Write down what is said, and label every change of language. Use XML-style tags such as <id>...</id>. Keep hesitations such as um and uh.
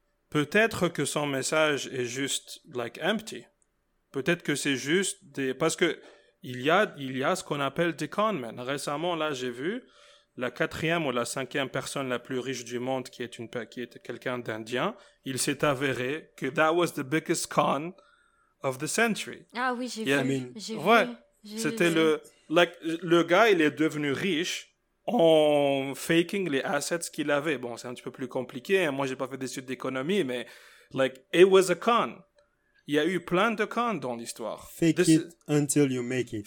<fr>Peut-être que son message est juste</fr> <en>like empty.</en> <fr>Peut-être que c'est juste des parce que il y a il y a ce qu'on appelle des conmen. Récemment là j'ai vu la quatrième ou la cinquième personne la plus riche du monde qui est une quelqu'un d'indien. Il s'est avéré que</fr> <en>that was the biggest con of the century.</en> <fr>Ah oui j'ai yeah, vu. Mais... j'ai ouais. vu. C'était le. Like, le gars, il est devenu riche en faking les assets qu'il avait. Bon, c'est un petit peu plus compliqué. Moi, j'ai pas fait d'études d'économie, mais.</fr> <en>Like, it was a con.</en> <fr>Il y a eu plein de cons dans l'histoire.</fr> <en>Fake This, it until you make it.</en>